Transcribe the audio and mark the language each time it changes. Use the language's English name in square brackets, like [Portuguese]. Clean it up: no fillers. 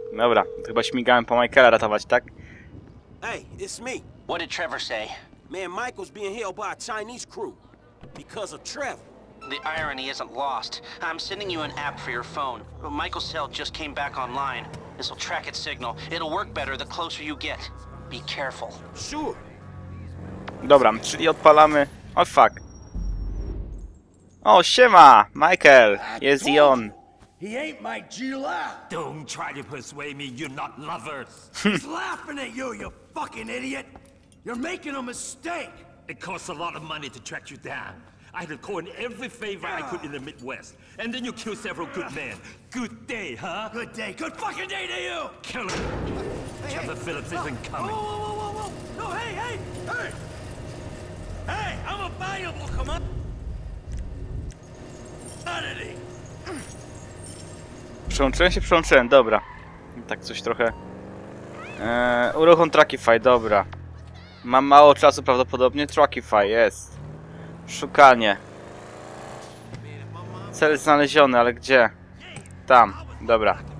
[Polish] Dobra, chyba śmigałem po Michaela ratować, tak? [English] Hey, it's me. What did Trevor say? Man, Michael's being held by a Chinese crew. Because of Trevor. The irony isn't lost. I'm sending you an app for your phone. Michael's cell just came back online. This will track its signal. It'll work better the closer you get. Be careful. Sure. [Polish] Dobra, czyli odpalamy. [English] Oh fuck. Oh, [Polish] siema, Michael. [English] Yes, [Polish] Ion. [English] He ain't my Gila. Don't try to persuade me you're not lovers. He's laughing at you, you fucking idiot. You're making a mistake. It costs a lot of money to track you down. I'd have coined every favor I could in the Midwest. And then you kill several good men. Good day, huh? Good day. Good fucking day to you! Kill him! Hey, Trevor Phillips isn't coming. Whoa, whoa, whoa, whoa, whoa! No, hey, hey! Hey! Hey, I'm a valuable commodity! [Polish] Przełączyłem się, przełączyłem, dobra. Tak coś trochę... uruchom Truckify, dobra. Mam mało czasu prawdopodobnie. Truckify, jest. Szukanie. Cel znaleziony, ale gdzie? Tam, dobra.